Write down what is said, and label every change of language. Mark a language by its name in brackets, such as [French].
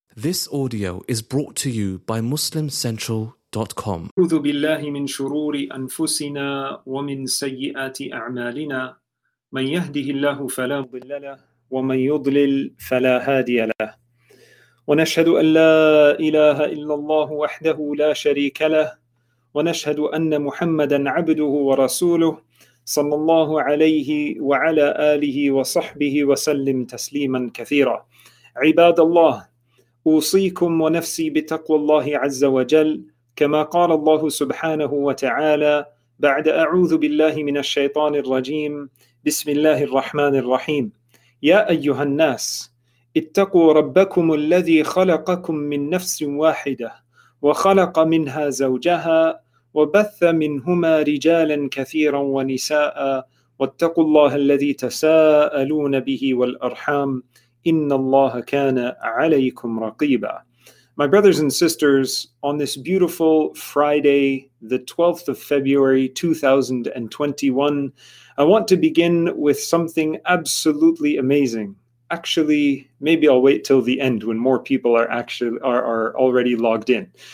[English] This audio is brought to you by MuslimCentral.com. [Arabic] أعوذ بالله من شرور أنفسنا ومن سيئات أعمالنا. من يهده الله فلا مضل له ومن يضلل فلا هادي له. ونشهد أن لا إله إلا الله وحده لا شريك له ونشهد أن محمدا عبده ورسوله صلى الله عليه وعلى آله وصحبه وسلم تسليما كثيرا. عباد الله، أوصيكم ونفسي بتقوى الله عز وجل، كما قال الله سبحانه وتعالى بعد أعوذ بالله من الشيطان الرجيم، بسم الله الرحمن الرحيم: يا أيها الناس اتقوا ربكم الذي خلقكم من نفس واحدة وخلق منها زوجها وبث منهما رجالا كثيرا ونساء واتقوا الله الذي تساءلون به والأرحام إِنَّ اللَّهَ كَانَ عَلَيْكُمْ رَقِيبًا. [English] My brothers and sisters, on this beautiful Friday, the 12th of February, 2021, I want to begin with something absolutely amazing. Actually, maybe I'll wait till the end when more people are already logged in.